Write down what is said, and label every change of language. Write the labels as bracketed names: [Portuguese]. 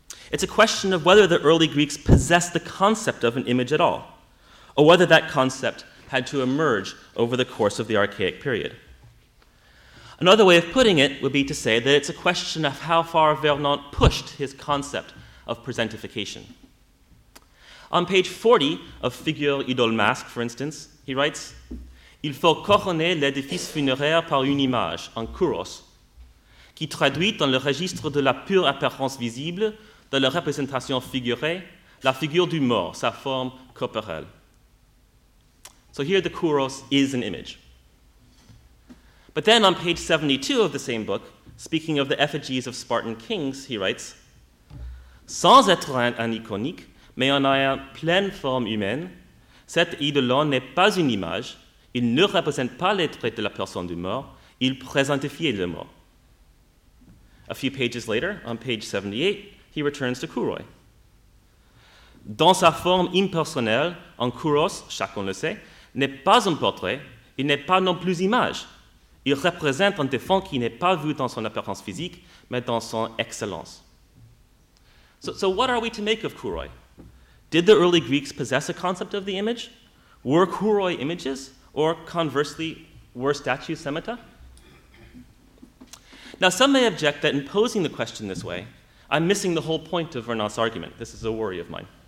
[English] It's a question of whether the early Greeks possessed the concept of an image at all, or whether that concept had to emerge over the course of the archaic period. Another way of putting it would be to say that it's a question of how far Vernant pushed his concept of presentification. On page 40 of Figure Idole Masque, for instance, he writes, [French] Il faut couronner l'édifice funéraire par une image, en kouros, qui traduit dans le registre de la pure apparence visible, de la représentation figurée, la figure du mort, sa forme corporelle. [English] So here the kouros is an image. But then on page 72 of the same book, speaking of the effigies of Spartan kings, he writes, [French] Sans être un iconique, mais en ayant pleine forme humaine, cet idolon n'est pas une image, il ne représente pas les traits de la personne du mort, il présentifie le mort. [English] A few pages later, on page 78, he returns to kouroi. [French] Dans sa forme impersonnelle, un kouros, chacun le sait, n'est pas un portrait, il n'est pas non plus image, Il représente un défunt qui n'est pas vu dans son apparence physique, mais dans son excellence. [English] So what are we to make of kouroi? Did the early Greeks possess a concept of the image? Were kouroi images? Or conversely, were statues semita? Now, some may object that in posing the question this way, I'm missing the whole point of Renan's argument. This is a worry of mine.